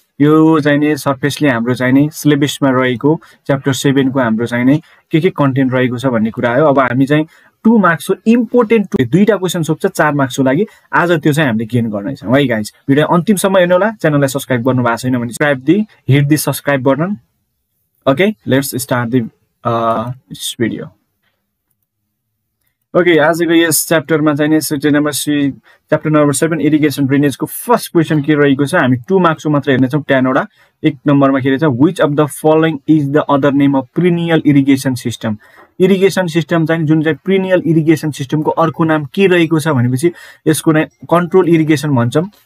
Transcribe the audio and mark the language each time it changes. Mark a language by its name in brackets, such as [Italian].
[Nepali] यो चाहिँ नि सर्फेसली हाम्रो चाहिँ नि सिलेबसमा रहेको च्याप्टर 7 को हाम्रो चाहिँ नि के कन्टेन्ट रहेको छ भन्ने कुरा हो. अब हामी चाहिँ 2 मार्क्स को इम्पोर्टेन्ट 2 दुईटा क्वेशन सोच्छ 4 मार्क्स को लागि. आज त्यो चाहिँ हामीले गेन गर्ने छ है गाइस. भिडियो अन्तिम सम्म हेर्नु होला. च्यानललाई सब्स्क्राइब गर्नु भएको छैन भने [English] Subscribe the, hit the subscribe button. Okay let's start the video. [Nepali] Okay आजको यस च्याप्टरमा चाहिँ नि set number 6 chapter number 7 irrigation drainage को फर्स्ट क्वेशन के रहेको छ. हामी 2 मार्क्स मात्र हेर्ने छौ 10 वटा. एक नम्बरमा के रहेछ, [English] Which of the following is the other name of perennial irrigation system. [Nepali] Irrigation system चाहिँ जुन चाहिँ प्रिनियल इरिगेशन सिस्टम को अर्को नाम के रहेको छ भनेपछि यसको नै कन्ट्रोल इरिगेशन भन्छम.